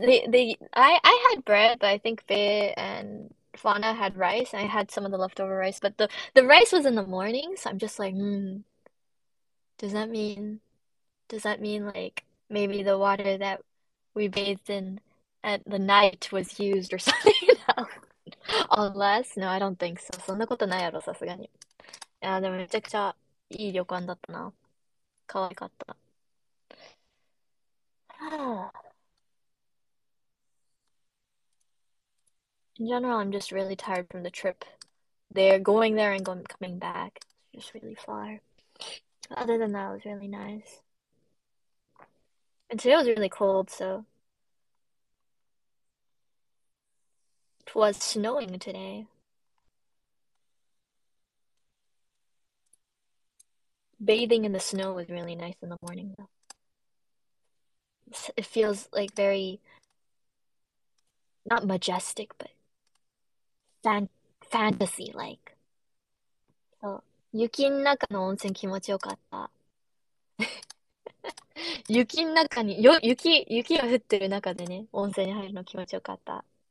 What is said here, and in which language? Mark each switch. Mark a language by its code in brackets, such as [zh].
[en] I had bread, but I think Bea and Fauna had rice. I had some of the leftover rice, but the rice was in the morning, so I'm just like, does that mean like maybe the water that we bathed in at the night was used or something? Unless, no, I don't think so. [ja] そんなことないやろ、さすがに。いや、でもめちゃくちゃいい旅館だったな。可愛かった。 [en] In general, I'm just really tired from the trip. They're going there and going coming back. It's just really far. Other than that, it was really nice. And today was really cold, so. It was snowing today. Bathing in the snow was really nice in the morning, though. It feels like very, not majestic, but fantasy like. [ja] So, 雪の中の温泉気持ちよかった。雪の中に、よ、雪、雪が降ってる中でね、温泉に入るの気持ちよかった。